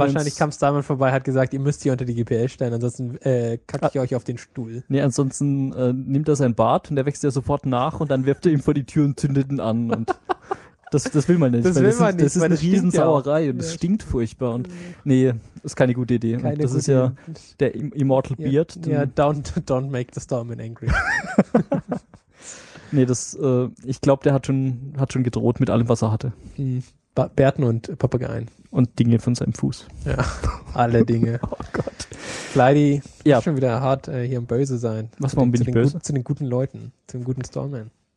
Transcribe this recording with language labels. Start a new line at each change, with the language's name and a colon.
German: Wahrscheinlich kam Starman vorbei, hat gesagt, ihr müsst hier unter die GPL stellen, ansonsten kacke ich euch auf den Stuhl. Nee, ansonsten nimmt er sein Bart und der wächst ja sofort nach und dann wirft er ihm vor die Tür und zündet ihn an. Und das will man nicht. Das will man nicht. Das ist eine Riesensauerei und es stinkt furchtbar. Und nee, das ist keine gute Idee. Der Immortal Beard.
English: Ja, don't make the Starman angry.
German: Nee, ich glaube, der hat schon gedroht mit allem, was er hatte. Bärten und Papageien. Und Dinge von seinem Fuß. Ja, alle Dinge. Oh Gott. Kleidi, ja. Schon wieder hart hier im Böse sein. Warum bin ich böse? Zu den guten Leuten, zum guten Starman.